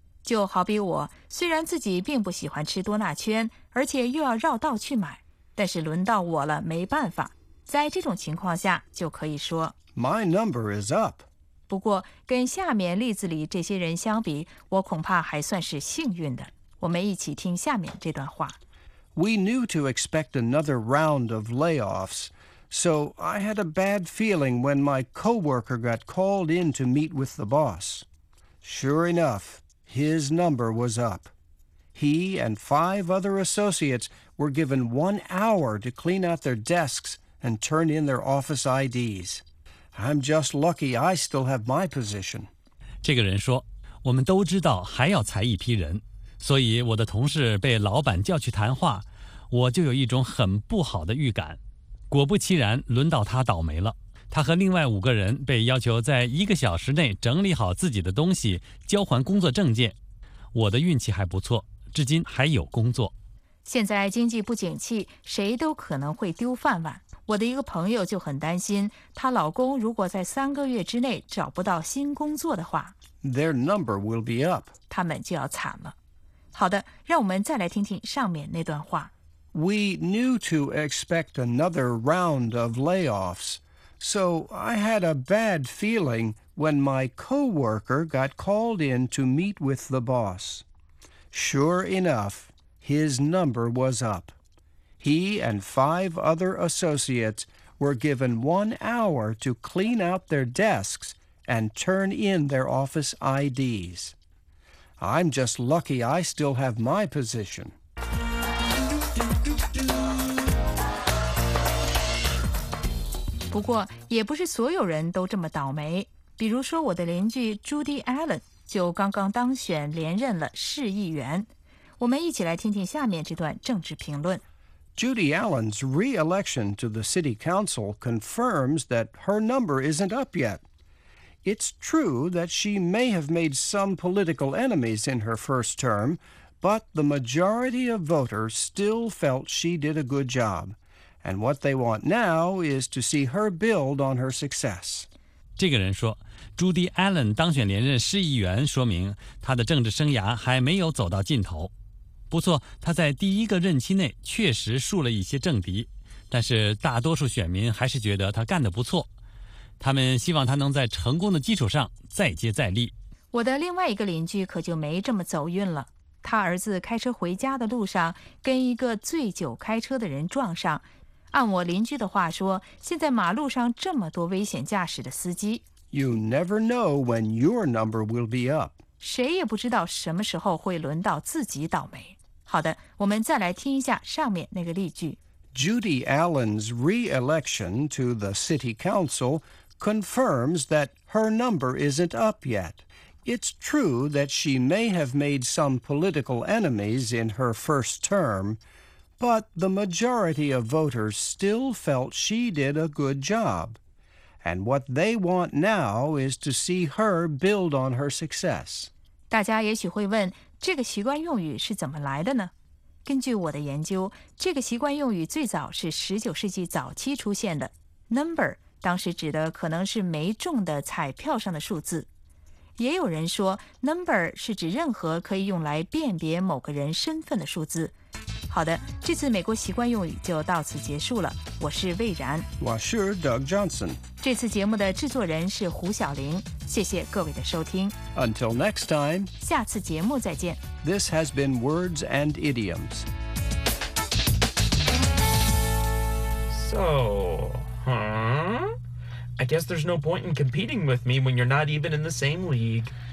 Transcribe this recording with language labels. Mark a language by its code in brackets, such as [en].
[zh] 就好比我虽然自己并不喜欢吃多纳圈，而且又要绕道去买，但是轮到我了，没办法。在这种情况下就可以说 [en] My number is up。 [zh] 不过跟下面例子里这些人相比，我恐怕还算是幸运的。我们一起听下面这段话。 [en] We knew to expect another round of layoffs, so I had a bad feeling when my coworker got called in to meet with the boss. Sure enough, his number was up. He and five other associates were given 1 hour to clean out their desks and turn in their office IDs. I'm just lucky I still have my position. [zh] 这个人说，我们都知道还要裁一批人。所以我的同事被老板叫去谈话，我就有一种很不好的预感。果不其然，轮到他倒霉了。他和另外五个人被要求在一个小时内整理好自己的东西，交还工作证件。我的运气还不错，至今还有工作。现在经济不景气，谁都可能会丢饭碗。我的一个朋友就很担心，她老公如果在3个月之内找不到新工作的话 [en] Their number will be up. [zh] 他们就要惨了。好的，让我们再来听听上面那段话。 [en] We knew to expect another round of layoffs, so I had a bad feeling when my coworker got called in to meet with the boss. Sure enough, his number was up. He and five other associates were given 1 hour to clean out their desks and turn in their office IDs. I'm just lucky I still have my position. [zh] 不过也不是所有人都这么倒霉。比如说我的邻居 Judy Allen 就刚刚当选连任了市议员。我们一起来听听下面这段政治评论。 [en] Judy Allen's re-election to the city council confirms that her number isn't up yet. It's true that she may have made some political enemies in her first term, but the majority of voters still felt she did a good job. And what they want now is to see her build on her success. [zh] 这个人说 ,Judy Allen 当选连任市议员说明她的政治生涯还没有走到尽头。不错，她在第一个任期内确实树了一些政敌，但是大多数选民还是觉得她干得不错。他们希望他能在成功的基础上再接再厉。我的另外一个邻居可就没这么走运了。他儿子开车回家的路上跟一个醉酒开车的人撞上。按我邻居的话说，现在马路上这么多危险驾驶的司机。 [en] You never know when your number will be up. [zh] 谁也不知道什么时候会轮到自己倒霉。好的，我们再来听一下上面那个例句。 [en] Judy Allen's re-election to the city council confirms that her number isn't up yet. It's true that she may have made some political enemies in her first term, but the majority of voters still felt she did a good job. And what they want now is to see her build on her success. [zh] 大家也许会问，这个习惯用语是怎么来的呢？根据我的研究，这个习惯用语最早是19世纪早期出现的。 Number 当时指的可能是没中的彩票上的数字。也有人说 ,Number 是指任何可以用来辨别某个人身份的数字。好的，这次美国习惯用语就到此结束了。我是魏然。我是 Doug Johnson。这次节目的制作人是胡晓玲。谢谢各位的收听。 [en] Until next time. [zh] 下次节目再见。 [en] This has been Words and Idioms. So, I guess there's no point in competing with me when you're not even in the same league.